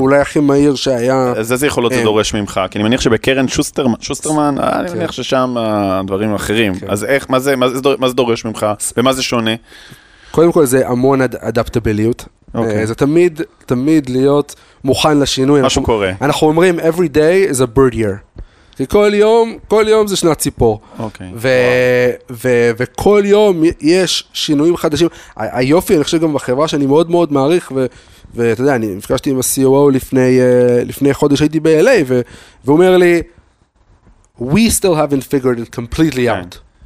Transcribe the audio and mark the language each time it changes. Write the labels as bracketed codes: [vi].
[he] אולי הכי מהיר שהיה... אז איזה יכולות זה דורש ממך? כי אני מניח שבקרן שוסטרמן, אני מניח ששם הדברים אחרים. אז איך, מה זה דורש ממך? ומה זה שונה? קודם כל זה המון אדפטביליות. [en] Okay. [he] זה תמיד, תמיד להיות מוכן לשינוי. משהו קורה. אנחנו אומרים, [en] every day is a bird year. [he] כי כל יום זה שנת ציפור. [en] Okay. [he] וכל יום יש שינויים חדשים. היופי, אני חושב גם בחברה שאני מאוד מאוד מעריך, ואתה יודע, אני מפגשתי עם ה-COO לפני חודש, הייתי ב-LA, והוא אומר לי, [en] we still haven't figured it completely out. [he] Okay.